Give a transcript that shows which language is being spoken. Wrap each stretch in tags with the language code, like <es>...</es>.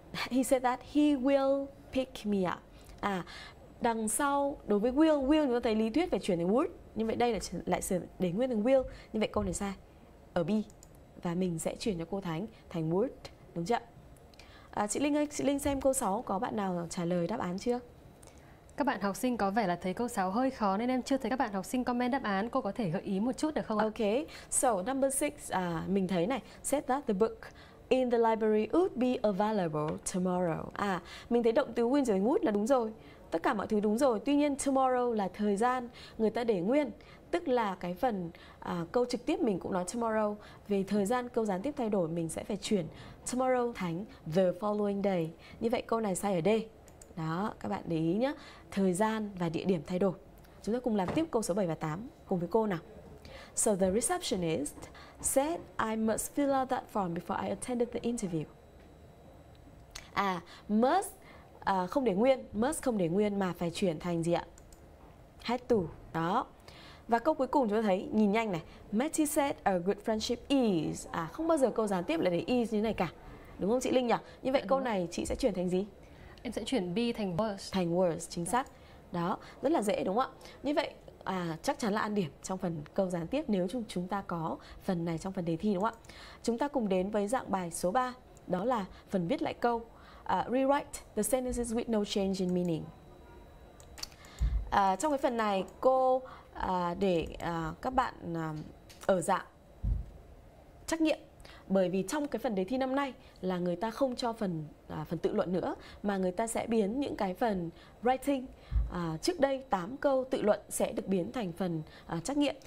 <en>He said that he will pick me up.</en> <vi>À, đằng sau đối với will chúng ta thấy lý thuyết phải chuyển thành would, nhưng vậy đây là lại sửa để nguyên thành will, như vậy câu này sai ở B và mình sẽ chuyển cho cô Thánh thành would, đúng chưa? À, chị Linh ơi, chị Linh xem câu 6 có bạn nào trả lời đáp án chưa? Các bạn học sinh có vẻ là thấy câu 6 hơi khó nên em chưa thấy các bạn học sinh comment đáp án. Cô có thể gợi ý một chút được không ạ?</vi> <en>Ok, so number 6,</en> <vi>mình thấy này,</vi> <en>said that the book in the library would be available tomorrow.</en> <vi>À, mình thấy động từ will chuyển thành would là đúng rồi. Tất cả mọi thứ đúng rồi, tuy nhiên tomorrow là thời gian người ta để nguyên. Tức là cái phần câu trực tiếp mình cũng nói tomorrow. Về thời gian câu gián tiếp thay đổi mình sẽ phải chuyển tomorrow thành</vi> <en>the following day.</en> <vi>Như vậy câu này sai ở D. Đó, các bạn để ý nhé. Thời gian và địa điểm thay đổi. Chúng ta cùng làm tiếp câu số 7 và 8 cùng với cô nào.</vi> <en>So the receptionist said I must fill out that form before I attended the interview.</en> <vi>À, must không để nguyên. Must không để nguyên mà phải chuyển thành gì ạ?</vi> <en>Had to.</en> <vi>Đó. Và câu cuối cùng chúng ta thấy, nhìn nhanh này, Matty</vi> <en>said a good friendship is.</en> <vi>À, không bao giờ câu gián tiếp lại để is như này cả. Đúng không chị Linh nhỉ? Như vậy câu này chị sẽ chuyển thành gì? Em sẽ chuyển be thành was. Thành was, chính xác. Đó, rất là dễ đúng không ạ? Như vậy chắc chắn là ăn điểm trong phần câu gián tiếp nếu chúng ta có phần này trong phần đề thi đúng không ạ? Chúng ta cùng đến với dạng bài số 3, đó là phần viết lại câu.</vi> <en>Rewrite the sentences with no change in meaning.</en> <vi>Trong cái phần này cô để các bạn ở dạng trắc nghiệm, bởi vì trong cái phần đề thi năm nay là người ta không cho phần phần tự luận nữa, mà người ta sẽ biến những cái phần writing trước đây 8 câu tự luận sẽ được biến thành phần trắc nghiệm.</vi>